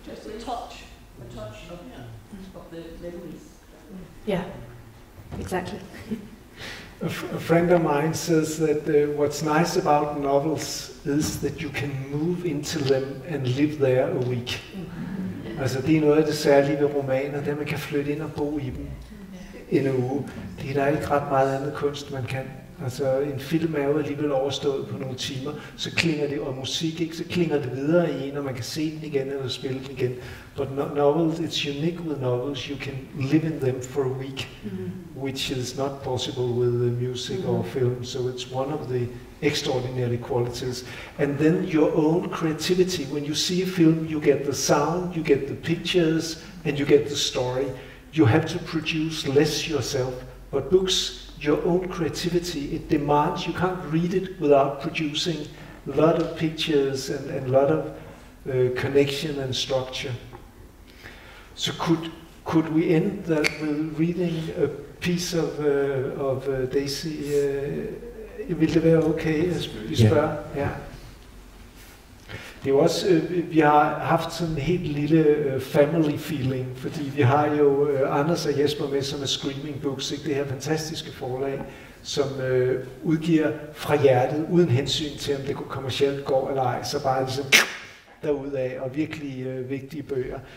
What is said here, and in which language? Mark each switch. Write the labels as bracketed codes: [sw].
[en] Just a touch. A touch of, yeah. Of the memories. Yeah, exactly. A friend of mine says that what's nice about novels is that you can move into them and live there a week. [da] Altså det er noget af det særlige ved romaner, det man kan flytte ind og bo i dem en uge. Det er der ikke ret meget andet kunst, man kan. Altså en film er jo alligevel overstået på nogle timer, så klinger det, og musik, ikke? Så klinger det videre i en, og man kan se den igen eller spille den igen. [en] But novels, it's unique with novels, you can live in them for a week, which is not possible with music or film, so it's one of the extraordinary qualities. And then your own creativity, when you see a film, you get the sound, you get the pictures, and you get the story. You have to produce less yourself, but books, your own creativity, it demands, you can't read it without producing a lot of pictures and a lot of connection and structure. So could we end that with reading a piece of Daisy? [da] Vil det være okay, vi spørger? Yeah. Ja. Det er også, vi har haft sådan en helt lille family feeling, fordi vi har jo Anders og Jesper med, som er Screaming Books, ikke? Det her fantastiske forlag, som udgiver fra hjertet, uden hensyn til, om det kunne kommercielt gå eller ej, så bare ligesom derudaf, og virkelig vigtige bøger.